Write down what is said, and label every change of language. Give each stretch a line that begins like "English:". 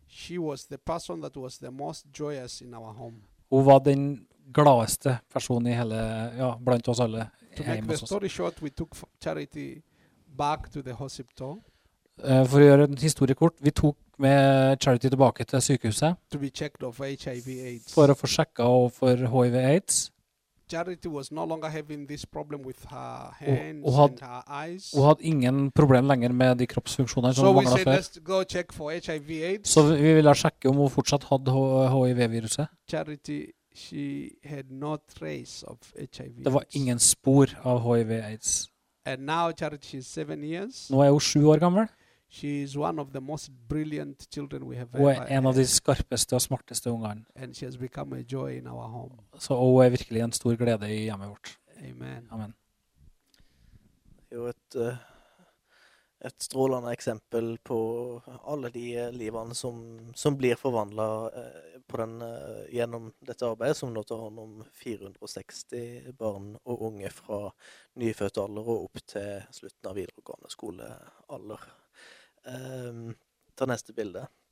English: She was the person that was the most joyous in our home.
Norwegian: Hun var den gladeste personen i hele, ja, blant oss alle.
English: To make the story short, we took charity back to the hospital.
Norwegian: For å gjøre en historiekort, vi tok med charity tilbake til sykehuset.
English: To be checked of HIV/AIDS.
Norwegian: For å få sjekket over HIV/AIDS.
English: Charity was no longer having this problem with her hands og and her eyes.
Norwegian: Hun hadde ingen problem lenger med de kroppsfunksjonene som manglet før.
English: So we said, let's go check for HIV/AIDS.
Norwegian: Så vi ville sjekke om hun fortsatt hadde HIV-viruset.
English: Charity, she had no trace of HIV/AIDS.
Norwegian: Det var ingen spor av HIV/AIDS.
English: And now Charity is 7 years.
Norwegian: Nå hun 7 år gammel.
English: She is one of the most brilliant children we have ever had.
Norwegian: En av de skarpeste og smarteste ungene.
English: And she has become a joy in our home.
Norwegian: Så hun virkelig en stor glede i hjemmet vårt.
English: Amen.
Norwegian: Amen. Jo, et strålende eksempel på alle de livene som blir forvandlet på den, gjennom dette arbeidet som nå tar hånd om 460 barn og unge fra nyfødt alder og opp til slutten av videregående skolealder. Ta neste bilde.